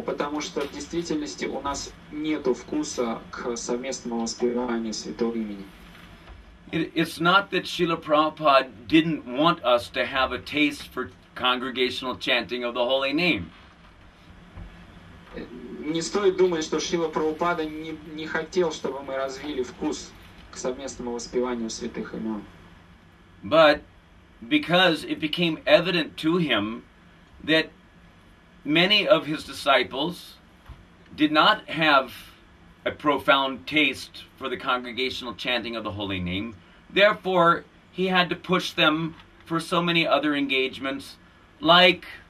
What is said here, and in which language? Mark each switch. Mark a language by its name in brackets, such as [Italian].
[Russian] Потому что в действительности у нас нету вкуса к совместному воспеванию святого имени. [English] It's not that Srila Prabhupada didn't want us to have a taste for congregational chanting of the holy name. [Russian] Не стоит думать, что Шрила Прабхупада не хотел, чтобы мы развили вкус к совместному воспеванию святых имен. [English] But because it became evident to him that many of his disciples did not have a profound taste for the congregational chanting of the holy name, therefore, he had to push them for so many other engagements, like,